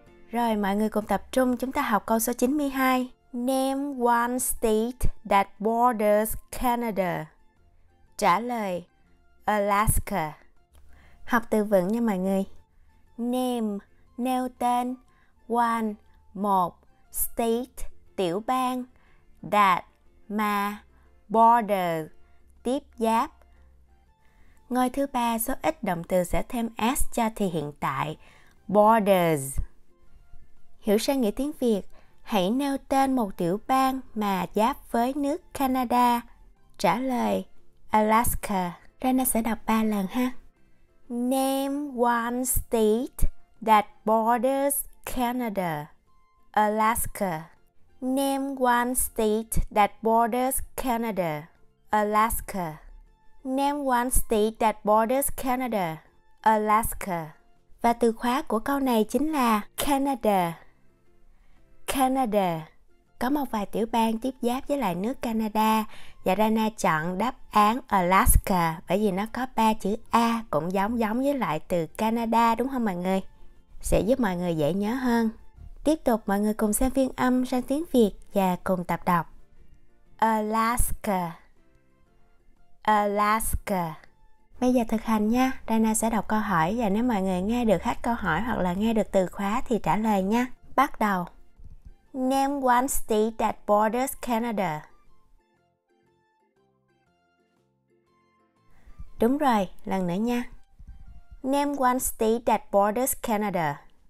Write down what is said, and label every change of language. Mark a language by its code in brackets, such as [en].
[vi] Rồi, mọi người cùng tập trung, chúng ta học câu số 92. [en] Name one state that borders Canada. [vi] Trả lời: Alaska. Học từ vựng nha mọi người. Name, nêu tên. One, một. State, tiểu bang. That, mà. Border, tiếp giáp. Ngôi thứ ba, số ít động từ sẽ thêm s cho thì hiện tại. Borders. Hiểu sang nghĩa tiếng Việt, hãy nêu tên một tiểu bang mà giáp với nước Canada. Trả lời: Alaska. Rana sẽ đọc 3 lần ha. [en] Name one state that borders Canada. Alaska. Name one state that borders Canada. Alaska. Name one state that borders Canada. Alaska. [vi] Và từ khóa của câu này chính là Canada. Canada. Có một vài tiểu bang tiếp giáp với lại nước Canada. Và Rana chọn đáp án Alaska bởi vì nó có ba chữ A cũng giống với lại từ Canada, đúng không mọi người? Sẽ giúp mọi người dễ nhớ hơn. Tiếp tục mọi người cùng xem phiên âm sang tiếng Việt và cùng tập đọc. Alaska. Alaska. Bây giờ thực hành nha. Rana sẽ đọc câu hỏi và nếu mọi người nghe được hết câu hỏi hoặc là nghe được từ khóa thì trả lời nha. Bắt đầu. [en] Name one state that borders Canada. [vi] Đúng rồi, lần nữa nha. [en] Name one state that borders Canada.